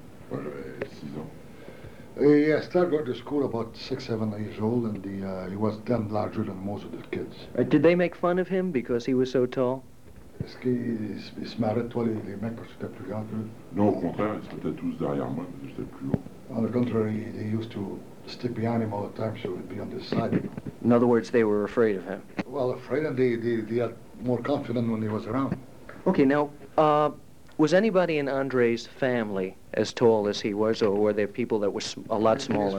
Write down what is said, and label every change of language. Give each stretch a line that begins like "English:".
French: Six ans.
English: I started going to school about 6, 7 years old, and he was then larger than most of the kids. Did they make fun of him because he was so tall?
French: Est-ce qu'ils se marraient toi les mecs parce que t'es plus grand? Non, au contraire, ils étaient tous derrière moi parce que j'étais plus haut.
English: On the contrary, they used to stick behind him all the time, so he'd be on this side. In other words, they were afraid of him. Well, afraid, and they had more confidence when he was around. Okay, now. Was anybody in Andre's family as tall as he was, or were there people that were a lot smaller?